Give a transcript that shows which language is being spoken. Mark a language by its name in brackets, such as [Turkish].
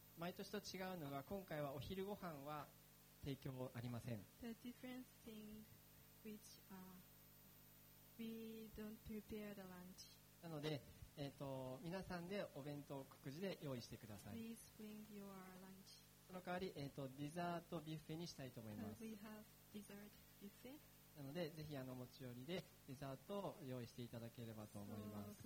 [Japanese] 毎年と違うのが、今回はお昼ご飯は提供ありません。 [English] The different thing which we don't prepare the lunch. [Japanese] なので、皆さんでお弁当を各自で用意してください。 [English] Please bring your lunch. [Japanese] その代わり、デザートビュッフェにしたいと思います。 [English] We have dessert buffet. [Japanese] なので、ぜひ持ち寄りでデザートを用意していただければと思います。